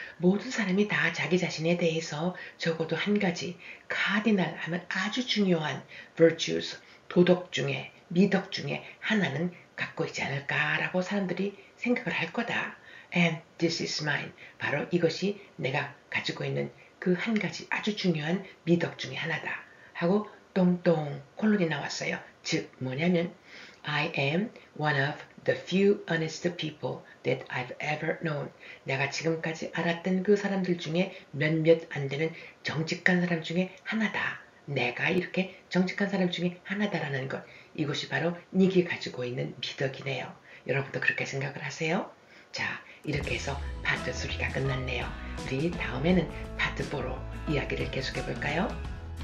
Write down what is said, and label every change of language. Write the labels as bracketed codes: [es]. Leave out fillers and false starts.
[ko] 모든 사람이 다 자기 자신에 대해서 적어도 한 가지 cardinal 하면 아주 중요한 virtues 도덕 중에 미덕 중에 하나는 갖고 있지 않을까라고 사람들이 생각을 할 거다. [en] And this is mine. [ko] 바로 이것이 내가 가지고 있는 그 한 가지 아주 중요한 미덕 중에 하나다. 하고 똥똥 콜론이 나왔어요. 즉 뭐냐면 [en] I am one of the few honest people that I've ever known. [ko] 내가 지금까지 알았던 그 사람들 중에 몇몇 안 되는 정직한 사람 중에 하나다. 내가 이렇게 정직한 사람 중에 하나다라는 것. 이것이 바로 니가 가지고 있는 미덕이네요. 여러분도 그렇게 생각을 하세요. 자, 이렇게 해서 파트 3가 끝났네요. 우리 다음에는 파트 4로 이야기를 계속해 볼까요?